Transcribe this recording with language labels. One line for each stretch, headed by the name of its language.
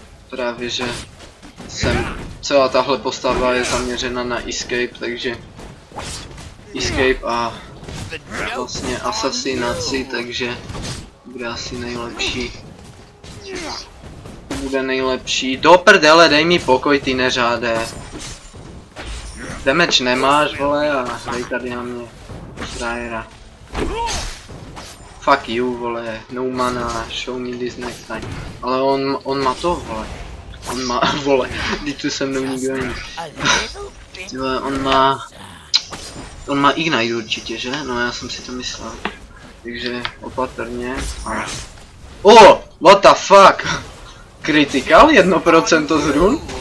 Czech: Právě že jsem, celá tahle postava je zaměřena na escape, takže escape a vlastně asasinaci, takže bude asi nejlepší. Bude nejlepší. Do prdele, dej mi pokoj, ty neřádé. Demeč nemáš, vole, a hej tady na mě. Frajera.
English: Fuck you,
Czech: vole,
English: no mana, show me this next time.
Czech: Ale on má to, vole. On má, vole, když tu se mnou nikdo není. Vole, on má ignite určitě, že? No já jsem si to myslel. Takže opatrně.
English: O, oh, what the fuck?
Czech: Kritikál 1% z run?